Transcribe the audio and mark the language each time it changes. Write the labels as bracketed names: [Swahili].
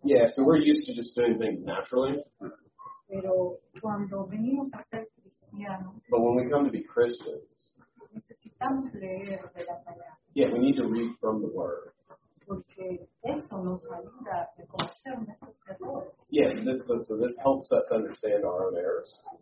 [English] Yeah, so we're used to just doing things naturally. [Spanish] Pero cuando venimos a ser cristianos, [English] but when we come to be Christians, [Spanish] necesitamos leer de la palabra. [English] Yeah, we need to read from the word. [Spanish] Porque eso nos ayuda a reconocer nuestros errores. [English] Yeah, so this helps us understand our own errors.